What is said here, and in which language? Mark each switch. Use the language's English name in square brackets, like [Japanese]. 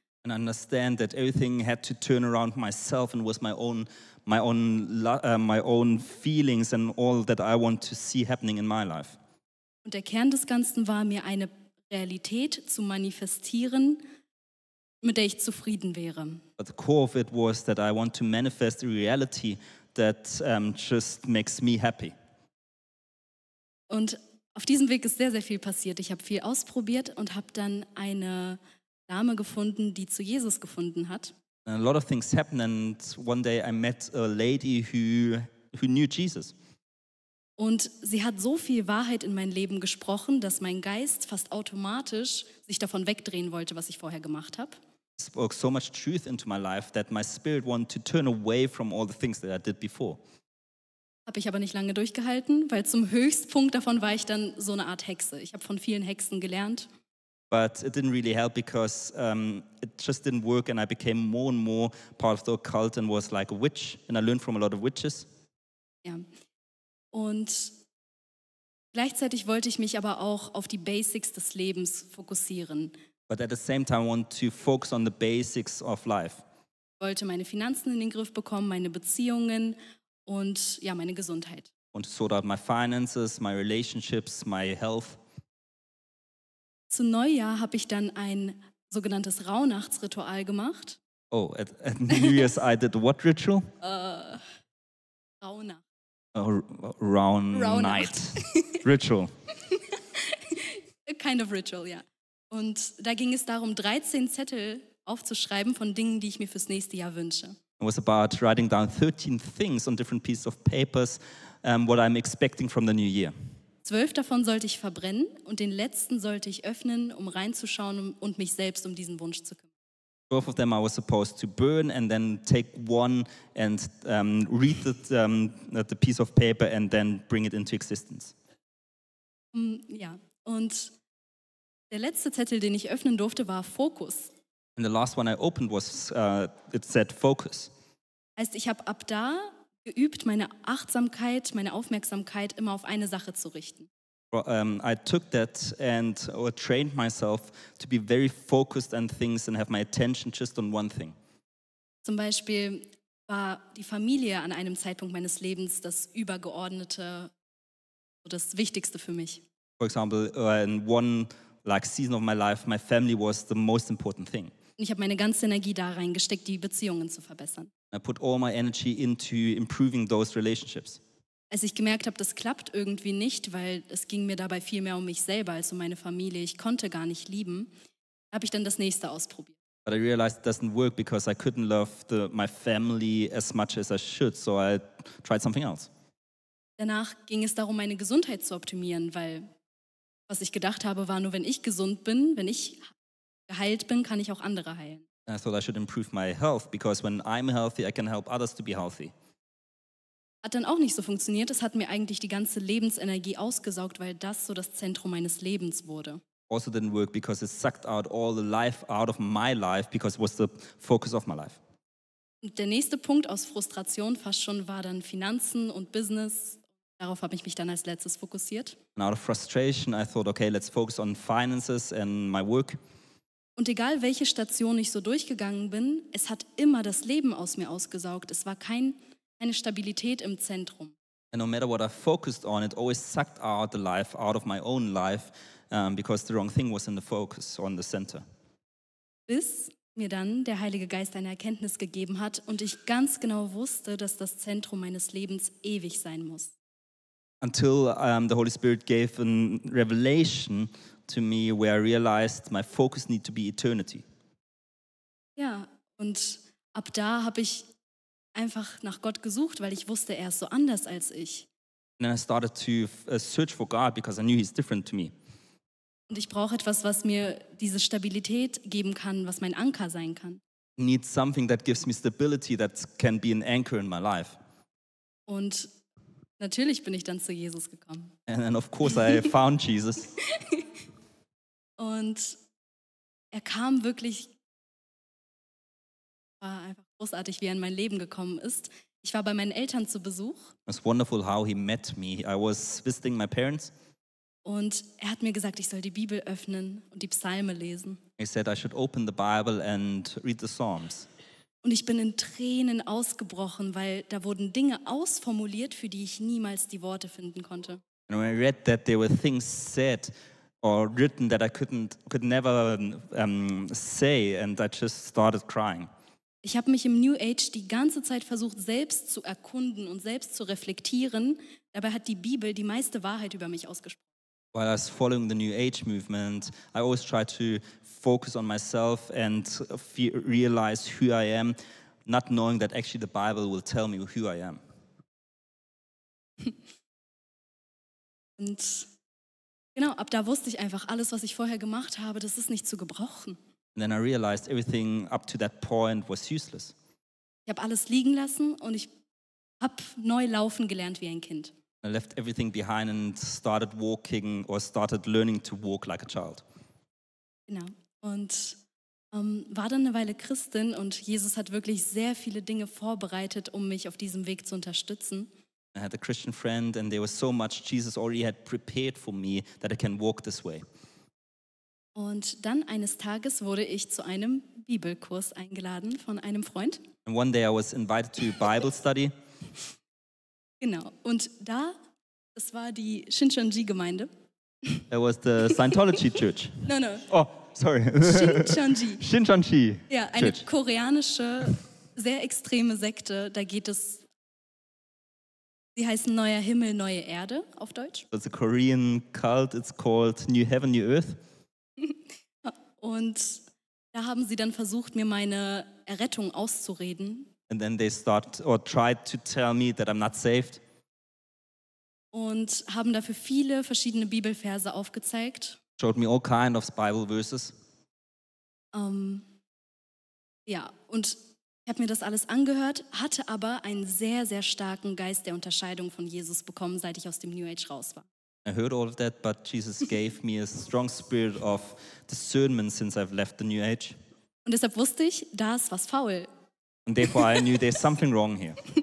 [English] And I understand that everything had to turn around myself and was my own feelings and all that I want to see happening in my life. [German] Und der Kern des Ganzen war, mir eine Realität zu manifestieren, mit der ich zufrieden wäre. [English] But the core of it was that I want to manifest a reality that just makes me happy. [German] Und auf diesem Weg ist sehr, sehr viel passiert. Ich habe viel ausprobiert und habe dann eine Dame gefunden, die zu Jesus gefunden hat. [English] And a lot of things happened and one day I met a lady who knew Jesus. [German] Und sie hat so viel Wahrheit in mein Leben gesprochen, dass mein Geist fast automatisch sich davon wegdrehen wollte, was ich vorher gemacht habe. [English] Spoke so much truth into my life that my spirit wanted to turn away from all the things that I did before. [German] Habe ich aber nicht lange durchgehalten, weil zum Höchstpunkt davon war ich dann so eine Art Hexe. Ich habe von vielen Hexen gelernt. [English] But it didn't really help because it just didn't work and I became more and more part of the occult and was like a witch and I learned from a lot of witches. Ja. Yeah. [German] Und gleichzeitig wollte ich mich aber auch auf die Basics des Lebens fokussieren. [English] But at the same time I want to focus on the basics of life. [German] Ich wollte meine Finanzen in den Griff bekommen, meine Beziehungen und ja, meine Gesundheit. [English] Und sort out my finances, my relationships, my health. [German] Zu Neujahr habe ich dann ein sogenanntes Rauhnachtsritual gemacht. [English] Oh, at New Year's I did what ritual? [German] Rauhnacht. [English] Round night. Ritual. A kind of ritual, ja. [German] Und da ging es darum, 13 Zettel aufzuschreiben von Dingen, die ich mir fürs nächste Jahr wünsche. [English] It was about writing down 13 things on different pieces of papers, what I'm expecting from the new year. [German] 12 davon sollte ich verbrennen und den letzten sollte ich öffnen, um reinzuschauen und mich selbst um diesen Wunsch zu kümmern. [English] 12 of them I was supposed to burn and then take one and read the piece of paper and then bring it into existence. [German] Ja, und der letzte Zettel, den ich öffnen durfte, war Focus. [English] And the last one I opened was, it said Focus. [German] Heißt, ich habe ab da geübt, meine Achtsamkeit, meine Aufmerksamkeit immer auf eine Sache zu richten. [English] I took that and trained myself to be very focused on things and have my attention just on one thing. [German] Zum Beispiel, war die Familie an einem Zeitpunkt meines Lebens das Übergeordnete, das Wichtigste für mich. [English] For example, in one like season of my life, my family was the most important thing. [German] Und ich habe meine ganze Energie da reingesteckt, die Beziehungen zu verbessern. [English] I put all my energy into improving those relationships. [German] Als ich gemerkt habe, das klappt irgendwie nicht, weil es ging mir dabei viel mehr um mich selber als um meine Familie. Ich konnte gar nicht lieben. Habe ich dann das nächste ausprobiert. [English] But I realized it doesn't work because I couldn't love my family as much as I should, so I tried something else. [German] Danach ging es darum, meine Gesundheit zu optimieren, weil was ich gedacht habe, war nur, wenn ich gesund bin, wenn ich geheilt bin, kann ich auch andere heilen. [English] I thought I should improve my health because when I'm healthy, I can help others to be healthy. [German] Hat dann auch nicht so funktioniert. Es hat mir eigentlich die ganze Lebensenergie ausgesaugt, weil das so das Zentrum meines Lebens wurde. [English] Also didn't work because it sucked out all the life out of my life because it was the focus of my life. [German] Und der nächste Punkt aus Frustration fast schon war dann Finanzen und Business. Darauf habe ich mich dann als letztes fokussiert. [English] And out of frustration, I thought, okay, let's focus on finances and my work. [German] Und egal, welche Station ich so durchgegangen bin, es hat immer das Leben aus mir ausgesaugt. Es war keine Stabilität im Zentrum. [English] And no matter what I focused on, it always sucked out the life out of my own life because the wrong thing was in the focus, on the center. [German] Bis mir dann der Heilige Geist eine Erkenntnis gegeben hat und ich ganz genau wusste, dass das Zentrum meines Lebens ewig sein muss. [English] Until the Holy Spirit gave a revelation to me where I realized my focus need to be eternity. [German] Ja, und ab da habe ich einfach nach Gott gesucht, weil ich wusste, er ist so anders als ich. [English] And then I started to search for God because I knew he's different to me. [German] Und ich brauche etwas, was mir diese Stabilität geben kann, was mein Anker sein kann. [English] Need something that gives me stability that can be an anchor in my life. [German] Und natürlich bin ich dann zu Jesus gekommen. [English] And then of course I found Jesus. [German] Und er kam wirklich, war einfach großartig, wie er in mein Leben gekommen ist. Ich war bei meinen Eltern zu Besuch. [English] It's wonderful how he met me. I was visiting my parents. [German] Und er hat mir gesagt, ich soll die Bibel öffnen und die Psalme lesen. [English] He said I should open the Bible and read the Psalms. [German] Und ich bin in Tränen ausgebrochen, weil da wurden Dinge ausformuliert, für die ich niemals die Worte finden konnte. [English] And when I read that there were things said or written that I could never say and I just started crying. [German] Ich habe mich im New Age die ganze Zeit versucht, selbst zu erkunden und selbst zu reflektieren. Dabei hat die Bibel die meiste Wahrheit über mich ausgesprochen. [English] While I was following the New Age movement, I always tried to focus on myself and realize who I am, not knowing that actually the Bible will tell me who I am. [German] Und genau, ab da wusste ich einfach, alles, was ich vorher gemacht habe, das ist nicht zu gebrauchen. [English] And then I realized everything up to that point was useless. [German] Ich habe alles liegen lassen und ich habe neu laufen gelernt wie ein Kind. [English] I left everything behind and started learning to walk like a child. [German] Genau. Und war dann eine Weile Christin und Jesus hat wirklich sehr viele Dinge vorbereitet, um mich auf diesem Weg zu unterstützen. [English] I had a Christian friend and there was so much Jesus already had prepared for me that I can walk this way. [German] Und dann eines Tages wurde ich zu einem Bibelkurs eingeladen von einem Freund. [English] And one day I was invited to Bible study. [German] Genau, und da, das war die Shincheonji-Gemeinde. [English] That was the Scientology Church. No. Oh, sorry. Shincheonji. [German] Ja, eine [English] Church. [German] Koreanische, sehr extreme Sekte, da geht es. Sie heißen Neuer Himmel, Neue Erde auf Deutsch. [English] It's a Korean cult, it's called New Heaven, New Earth. [German] Und da haben sie dann versucht, mir meine Errettung auszureden. [English] And then they tried to tell me that I'm not saved. [German] Und haben dafür viele verschiedene Bibelverse aufgezeigt. [English] Showed me all kind of Bible verses. [German] Und ich habe mir das alles angehört, hatte aber einen sehr, sehr starken Geist der Unterscheidung von Jesus bekommen, seit ich aus dem New Age raus war. [English] I heard all of that, but Jesus gave me a strong spirit of discernment since I've left the New Age. [German] Und deshalb wusste ich, da ist was faul. [English] And therefore I knew there's something wrong here.